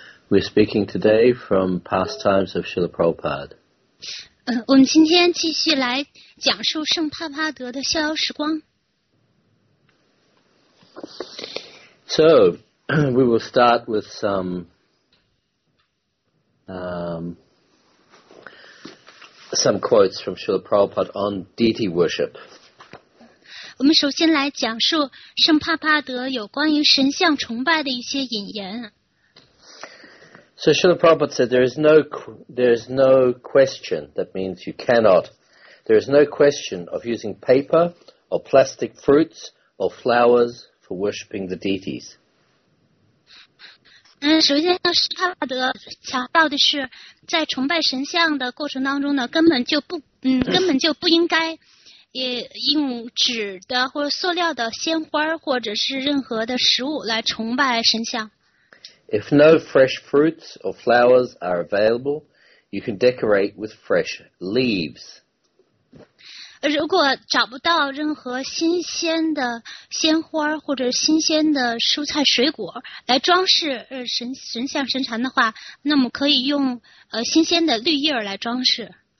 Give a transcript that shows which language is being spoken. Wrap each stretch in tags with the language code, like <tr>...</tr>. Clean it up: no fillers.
<en>We're speaking today from Pastimes of Srila Prabhupada.</en> <zh>我们今天继续来讲述圣帕帕德的逍遥时光。</zh> <en>So we will start with some some quotes from Srila Prabhupada on deity worship.</en> <zh>我们首先来讲述圣帕帕德有关于神像崇拜的一些引言。</zh> <en>So Srila Prabhupada said there is no question, that means you cannot, there is no question of using paper or plastic fruits or flowers for worshipping the deities.</en> <zh>首先是帕帕德强调的是在崇拜神像的过程当中呢，根本就不应该也用纸的或者塑料的鲜花或者是任何的食物来崇拜神像。</zh> <en>If no fresh fruits or flowers are available, you can decorate with fresh leaves.</en> <zh>如果找不到任何新鲜的鲜花或者新鲜的蔬菜水果来装饰神像神坛的话，那么可以用新鲜的绿叶来装饰。</zh>